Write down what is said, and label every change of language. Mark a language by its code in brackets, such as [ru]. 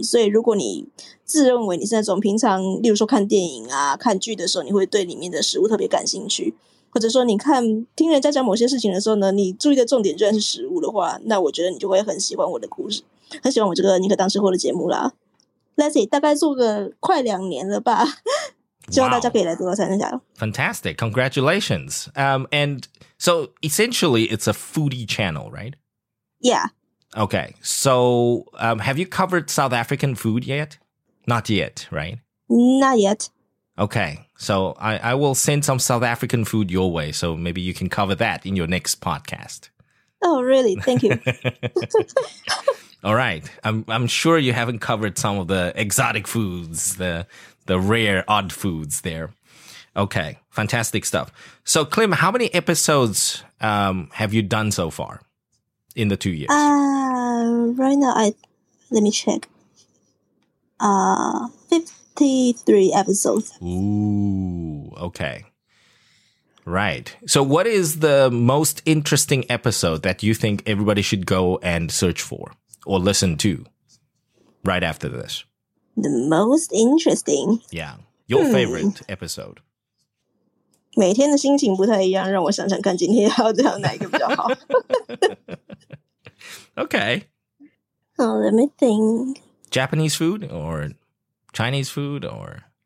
[zh] 所以如果你自认为你是那种平常例如说看电影啊看剧的时候你会对里面的食物特别感兴趣，或者说你看听人家讲某些事情的时候呢，你注意的重点居然是食物的话，那我觉得你就会很喜欢我的故事，很喜欢我这个宁可当吃货的节目啦。 [en] Let's see， [zh] 大概做个快两年了吧。希望大家可以来多多参加。 [en] Fantastic, congratulations. And so essentially it's a foodie channel, right? Yeah. Okay, so have you covered South African food yet? Not yet, right? Not yet. Okay, so I will send some South African food your way, so maybe you can cover that in your next podcast. Oh, really? Thank you. All right, I'm sure you haven't covered some of the exotic foods, the rare odd foods there. Okay, fantastic stuff. So, Clem, how many episodes have you done so far in the 2 years? Right now, let me check. 53 episodes. Ooh, okay. Right. So what is the most interesting episode that you think everybody should go and search for or listen to right after this? The most interesting? Yeah. Your favorite episode. [zh] 每天的心情不太一样，让我想想看今天要这样哪一个比较好。 [en] Okay. Oh, let me think. Japanese food or Chinese food or?